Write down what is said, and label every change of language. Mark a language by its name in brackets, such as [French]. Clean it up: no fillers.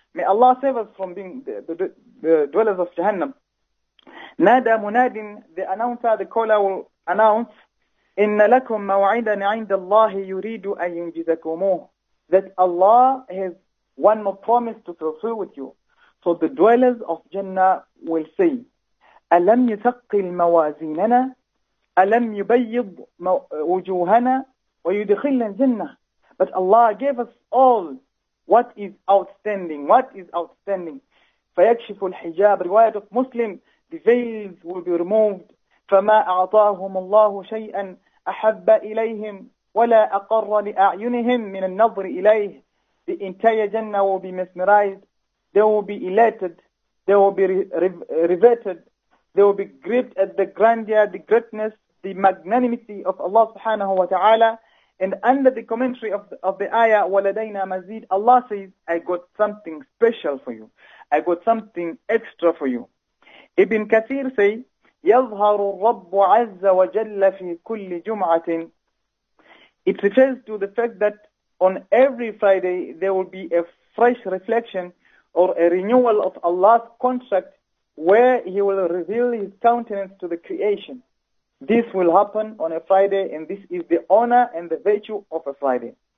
[English] May Allah save us from being the dwellers of Jahannam. [Arabic] Nada munadin, [English] the announcer, the caller will announce, [Arabic] إِنَّ لَكُمْ مَوْعِدًا عِنْدَ اللَّهِ يُرِيدُ أَن يُنْجِزَكُمُهُ. [English] That Allah has one more promise to fulfill with you. So the dwellers of Jannah will say, [Arabic] أَلَمْ يُثَقِّلْ مَوَازِينَنَا أَلَمْ يُبَيِّضْ وُجُوهَنَا وَيُدْخِلْنَا الْجَنَّةِ. [English] But Allah gave us all what is outstanding. What is outstanding? [Arabic] فَيَكْشِفُ الْحِجَابِ. [English] Riwayat of Muslim, the veils will be removed. [Arabic] فَمَا أَعْطَاهُمُ اللَّهُ شَيْئًا أَحَبَّ إِلَيْهِمْ وَلَا أَقَرَّ لِأَعْيُنِهِمْ مِنَ النَّظْرِ إِلَيْهِ. [English] The entire Jannah will be mesmerized. They will be elated. They will be riveted. They will be gripped at the grandeur, the greatness, the magnanimity of Allah subhanahu wa ta'ala. And under the commentary of the ayah, [Arabic] وَلَدَيْنَا مَزِيدٍ, [English] Allah says, I got something special for you. I got something extra for you. [Arabic] Ibn Kathir say, يَظْهَرُ الرَّبُّ عَزَّ وَجَلَّ فِي كُلِّ جُمْعَةٍ. [English] It refers to the fact that on every Friday, there will be a fresh reflection or a renewal of Allah's contract where He will reveal His countenance to the creation. This will happen on a Friday, and this is the honor and the virtue of a Friday.